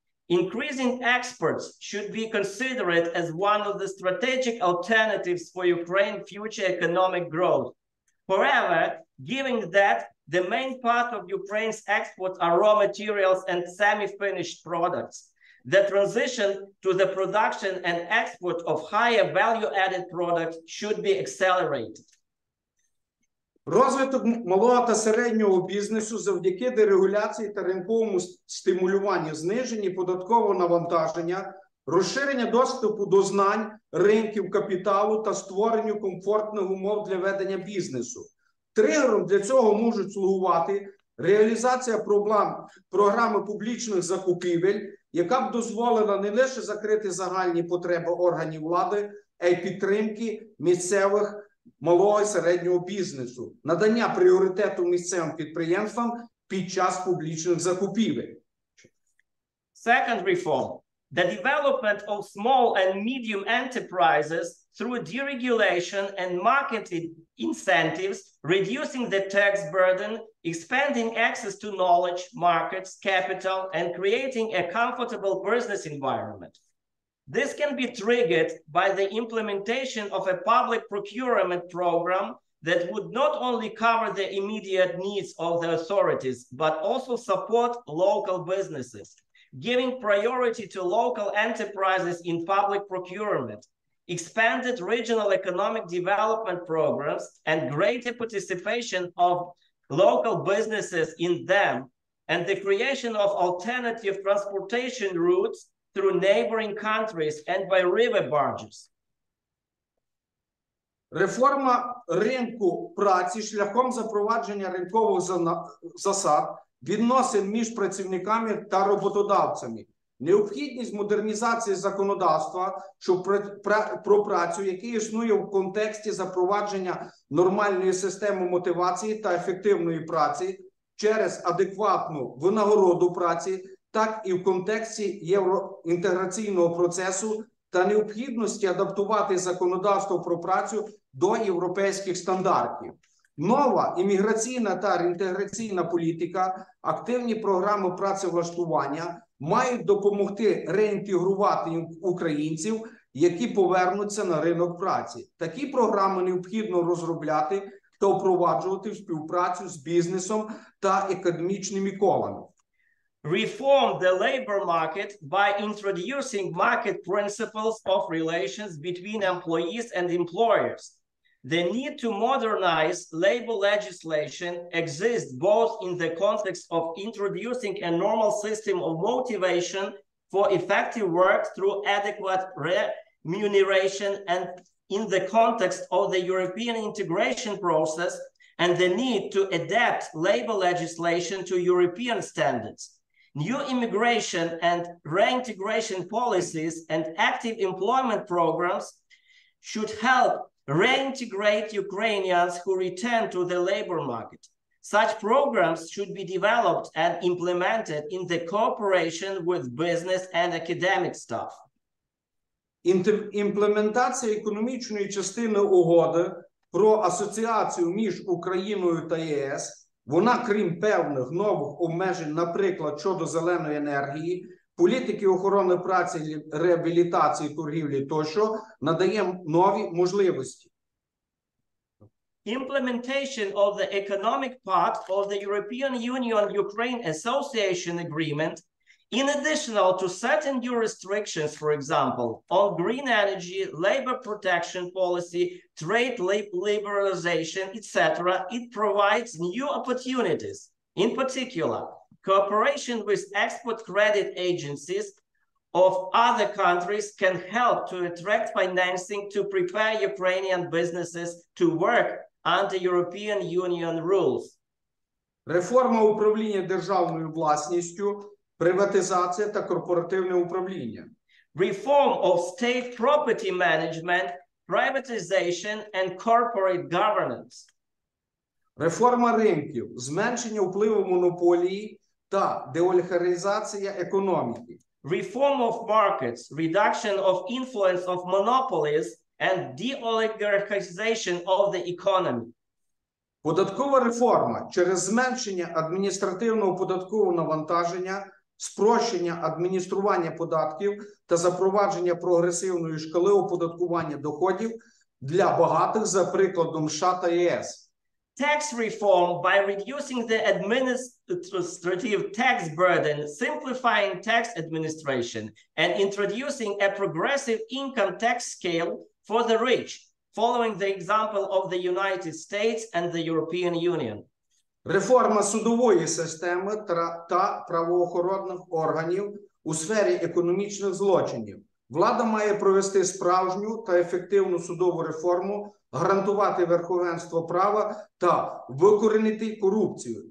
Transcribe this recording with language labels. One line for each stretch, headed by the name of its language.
English: Increasing exports should be considered as one of the strategic alternatives for Ukraine's future economic growth. However, given that the main part of Ukraine's exports are raw materials and semi-finished products, the transition to the production and export of higher value-added products should be accelerated.
Ukrainian: Розвиток малого та середнього бізнесу завдяки дерегуляції та ринковому стимулюванню, зниженні податкового навантаження, розширення доступу до знань, ринків капіталу та створенню комфортних умов для ведення бізнесу. Тригером для цього можуть слугувати реалізація програми публічних закупівель, яка б дозволила не лише закрити загальні потреби органів влади, а й підтримки місцевих малого і середнього бізнесу, надання пріоритету місцевим підприємствам під час публічних закупівель.
English: Second reform. The development of small and medium enterprises through deregulation and market incentives, reducing the tax burden, expanding access to knowledge, markets, capital, and creating a comfortable business environment. This can be triggered by the implementation of a public procurement program that would not only cover the immediate needs of the authorities, but also support local businesses, giving priority to local enterprises in public procurement, expanded regional economic development programs, and greater participation of local businesses in them, and the creation of alternative transportation routes through neighboring countries and by river barges.
Ukrainian: Реформа ринку праці шляхом запровадження ринкових засад відносин між працівниками та роботодавцями. Необхідність модернізації законодавства про працю, яке існує в контексті запровадження нормальної системи мотивації та ефективної праці через адекватну винагороду праці, так і в контексті євроінтеграційного процесу та необхідності адаптувати законодавство про працю до європейських стандартів. Нова імміграційна та реінтеграційна політика, активні програми працевлаштування мають допомогти реінтегрувати українців, які повернуться на ринок праці. Такі програми необхідно розробляти та впроваджувати в співпрацю з бізнесом та економічними колами.
English: Reform the labor market by introducing market principles of relations between employees and employers. The need to modernize labor legislation exists both in the context of introducing a normal system of motivation for effective work through adequate remuneration and in the context of the European integration process and the need to adapt labor legislation to European standards. New immigration and reintegration policies and active employment programs should help reintegrate Ukrainians who return to the labor market. Such programs should be developed and implemented in the cooperation with business and academic staff.
Ukrainian: Імплементація економічної частини угоди про асоціацію між Україною та ЄС. Вона, крім певних нових обмежень, наприклад, щодо зеленої енергії, політики охорони праці, реабілітації, торгівлі тощо, надає нові можливості.
English: Implementation of the economic part of the European Union-Ukraine Association Agreement, in addition to certain new restrictions, for example, on green energy, labor protection policy, trade liberalization, etc., it provides new opportunities. In particular, cooperation with export credit agencies of other countries can help to attract financing to prepare Ukrainian businesses to work under European Union rules.
Ukrainian: Реформа управління державною власністю, приватизація та корпоративне управління.
English: Reform of state property management, privatization and corporate governance.
Ukrainian: Реформа ринків, зменшення впливу монополії та деолігархізація економіки.
English: Reform of markets, reduction of influence of monopolies and deoligarchization of the economy.
Ukrainian: Податкова реформа через зменшення адміністративного податкового навантаження спрощення адміністрування податків та запровадження прогресивної шкали оподаткування доходів для багатих за прикладом США та ЄС.
English: Tax reform by reducing the administrative tax burden, simplifying tax administration, and introducing a progressive income tax scale for the rich, following the example of the United States and the European Union.
Ukrainian: Реформа судової системи та правоохоронних органів у сфері економічних злочинів. Влада має провести справжню та ефективну судову реформу, гарантувати верховенство права та викорінити корупцію.